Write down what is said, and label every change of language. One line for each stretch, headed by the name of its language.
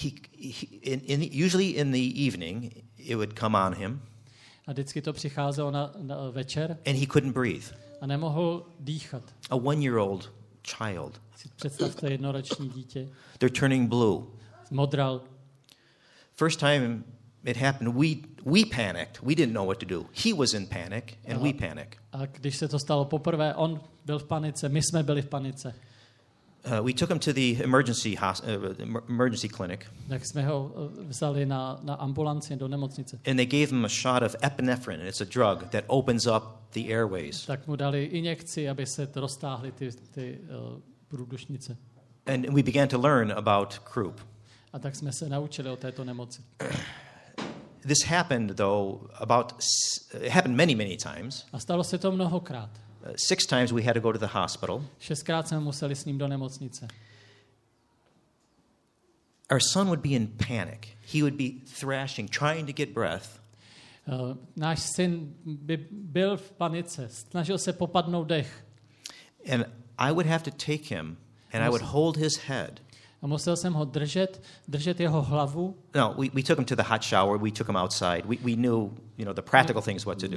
English: He usually in the evening it would come on him.
Czech: A vždycky to přicházelo na večer.
English: And he couldn't breathe.
Czech: a nemohl dýchat.
English: A one-year-old child.
Czech: Si představte jednoroční dítě.
English: They're turning blue.
Czech: Modral.
English: First time it happened, we panicked. We didn't know what to do. He was in panic and we panic.
Czech: A když se to stalo poprvé, on byl v panice, my jsme byli v panice.
English: We took him to the emergency clinic.
Czech: Tak jsme ho vzali na ambulanci do nemocnice.
English: And they gave him a shot of epinephrine, and it's a drug that opens up the airways.
Czech: Tak mu dali injekci, aby se roztáhly ty průdušnice.
English: And we began to learn about croup.
Czech: A tak jsme se naučili o této nemoci.
English: This happened though happened many, many times.
Czech: A stalo se to mnohokrát.
English: Six times we had to go to the hospital.
Czech: Šestkrát jsme museli s ním do nemocnice.
English: Our son would be in panic. He would be thrashing, trying to get breath.
Czech: Náš syn by byl v panice, snažil se popadnout dech.
English: And I would have to take him and I would hold his head.
Czech: A musel jsem ho držet jeho hlavu.
English: No, we took him to the hot shower, we took him outside. We knew, you know, the practical things what to do.